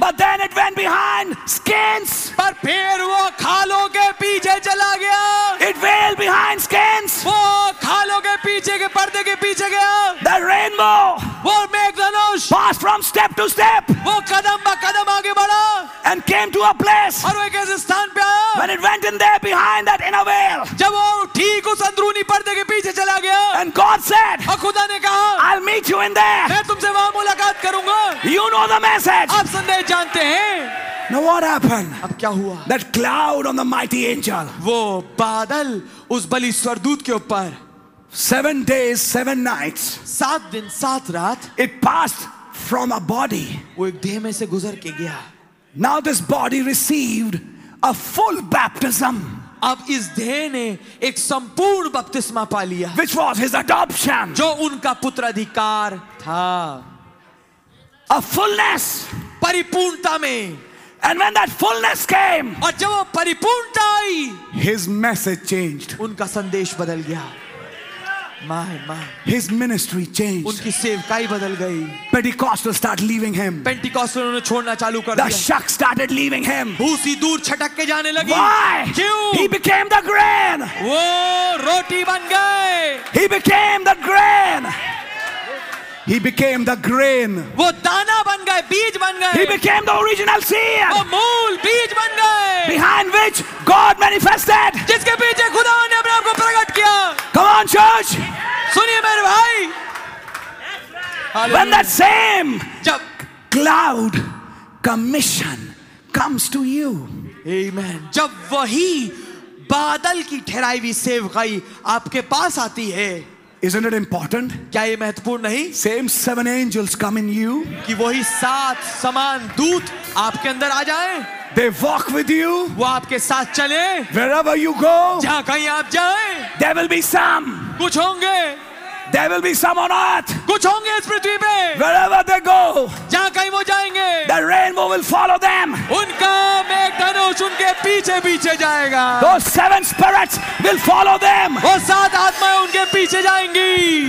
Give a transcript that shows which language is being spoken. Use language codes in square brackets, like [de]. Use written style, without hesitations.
[en] But then it went behind skins. [hi] पर फिर वो खालों के पीछे चला गया. [en] It veiled behind skins. [hi] वो खालों के पीछे के पर्दे के पीछे [en] The rainbow [hi] वो मेघधनुष [en] passed from step to step [hi] वो कदम ब कदम आगे बढ़ा [en] and came to a place [hi] और एक ऐसे स्थान पे आया [en] when it went in there behind that inner veil [hi] जब वो ठीक उस अंदरूनी पर्दे के पीछे चला गया [en] and God said [hi] और खुदा ने कहा [en] I'll meet you in there [hi] मैं तुमसे वहां मुलाकात करूंगा [en] you know the message [hi] आप संदेश जानते हैं [en] Now what happened? [hi] अब क्या हुआ? [en] That cloud on the mighty angel. [hi] वो बादल उस बलि स्वर्गदूत के ऊपर [en] Seven days, seven nights. [hi] सात दिन, सात रात. [en] It passed from a body. [hi] वो एक देह में से गुजर के गया. [en] Now this body received a full baptism. [hi] अब इस देह ने एक संपूर्ण बपतिस्मा पा लिया. [en] Which was his adoption. [hi] जो उनका पुत्राधिकार था. [en] A fullness. [hi] परिपूर्णता में. [en] And when that fullness came. [hi] और जब वो परिपूर्णता आई. [en] His message changed. [hi] उनका संदेश बदल गया. My. [en] His ministry changed. [hi] उनकी सेवकाई बदल गई. [en] Pentecostals start leaving him. [hi] Pentecostals ने छोड़ना चालू कर दिया. [en] The shucks started leaving him. [hi] भूसी दूर छटक के जाने लगी. [en] Why? [hi] क्यों? [en] He became the grain. [hi] वो रोटी बन गए. [en] He became the grain. [hi] वो दाना बन गए, बीज बन गए. [en] He became the original seed. [hi] वो मूल बीज बन गए. [en] Behind which God manifested. [hi] जिसके पीछे खुदा ने अपने आप को प्रकट किया. [en] Come on, church. [hi] सुनिए मेरे भाई. [en] When that same cloud commission comes to you. Amen. [hi] जब वही बादल की ठहराई हुई सेवकाई आपके पास आती है. [en] Isn't it important? [hi] क्या ये महत्वपूर्ण नहीं? [en] Same seven angels come in you. [hi] कि वही सात समान दूत आपके अंदर आ जाएं. [en] They walk with you. [hi] वो आपके साथ चले. [en] Wherever you go. [hi] जहाँ कहीं आप जाएं. [en] There will be some. [hi] कुछ होंगे. [en] There will be some on earth. [hi] कुछ होंगे इस पृथ्वी पे. [en] Wherever they go. [hi] जहाँ कहीं वो जाएंगे. [en] The rainbow will follow them. [hi] उनका मेघधनुष दोष उनके पीछे पीछे जाएगा. [en] Those seven spirits will follow them. [hi] वो सात आत्माएं उनके पीछे जाएंगी.